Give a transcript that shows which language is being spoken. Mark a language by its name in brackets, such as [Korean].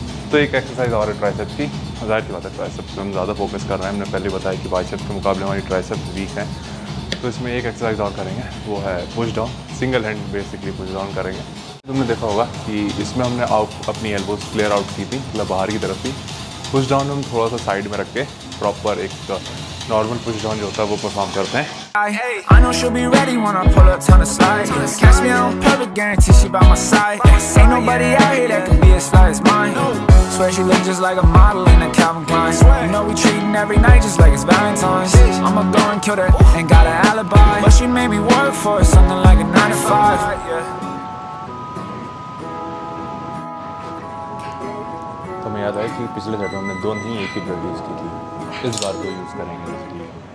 [Hindi] तो एक एक्सरसाइज और ट्राइसेप की, जाहिर की बात है ट्राइसेप पे हम ज़्यादा फोकस कर रहे हैं, हमने पहले बताया कि बाइसेप के मुकाबले हमारी ट्राइसेप वीक हैं। तो इसमें एक एक्सरसाइज और करेंगे, वो है push down, single hand basically push down करेंगे। तुमने देखा होगा कि इसमें हमने अपनी एल्बोज क्लियर आउट की थी, मतलब बाहर की तरफ थी। पुश डाउन हम थोड़ा सा साइड में रख के प्रॉपर एक नॉर्मल पुश डाउन जो होता है वो परफॉर्म करते हैं। [English] I know she'll be ready when I pull up on the slide. Catch me on perfect guarantee she by my side. Ain't nobody out here that can be as fly as mine. Swear she look just like a model in a Calvin Klein. You know we treating every night just like it's Valentine's. I'ma go and kill her and got an alibi. But she made me work for it, something like a 9-to-5. [Hindi] तो मैं याद आया कि पिछले set में हमने दो नहीं एक ही ड्रिल यूज़ की थी, इस बार दो यूज़ करेंगे इसलिए।